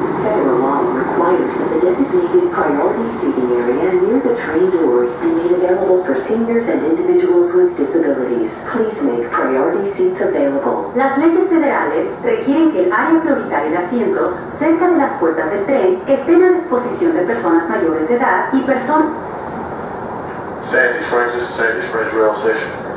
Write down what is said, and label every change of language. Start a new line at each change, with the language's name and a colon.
English: Federal law requires that the designated priority seating area near the train doors be made available for seniors and individuals with disabilities. Please make priority seats available.
Spanish: Las leyes federales requieren que el área prioritaria de asientos cerca de las puertas del tren estén a disposición de personas mayores de edad y personas...
English: Sandy Springs, this is Sandy Springs Rail Station.